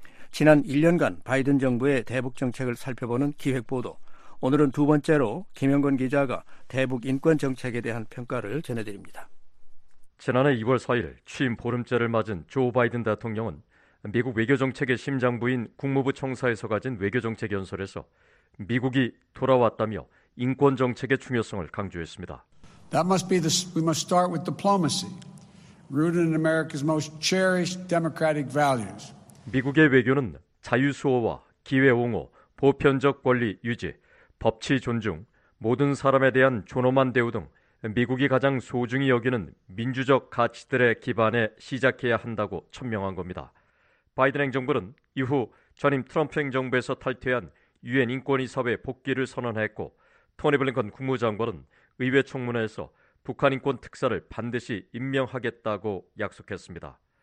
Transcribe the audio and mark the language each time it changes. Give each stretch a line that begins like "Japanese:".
Korean: 지난 1년간 바이든 정부의 대북 정책을 살펴보는 기획보도, 오늘은 두 번째로 김영건 기자가 대북 인권 정책에 대한 평가를 전해드립니다. 지난해 2월 4일 취임 보름째를 맞은 조 바이든 대통령은 미국 외교정책의 심장부인 국무부 청사에서 가진 외교정책 연설에서 미국이 돌아왔다며 인권 정책의 중요성을 강조했습니다.
English: That must be the, we must start with diplomacy, rooted in America's most cherished democratic values.
Korean: 미국의 외교는 자유수호와 기회옹호, 보편적 권리 유지, 법치 존중, 모든 사람에 대한 존엄한 대우 등 미국이 가장 소중히 여기는 민주적 가치들의 기반에 시작해야 한다고 천명한 겁니다. 바이든 행정부는 이후 전임 트럼프 행정부에서 탈퇴한 유엔 인권이사회 복귀를 선언했고, 토니 블링컨 국무장관은 의회 청문회에서 북한 인권 특사를 반드시 임명하겠다고 약속했습니다.